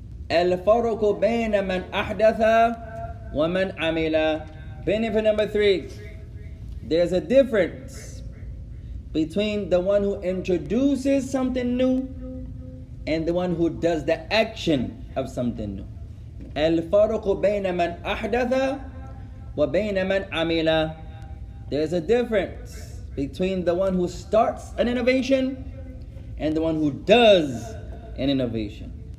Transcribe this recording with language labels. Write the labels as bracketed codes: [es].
[ar] الفرق بين من أحدث ومن عمل. [en] Benefit number three. There's a difference between the one who introduces something new and the one who does the action of something new. [ar] الفرق بين من أحدث وبين من عمل. [en] There's a difference between the one who starts an innovation and the one who does an innovation.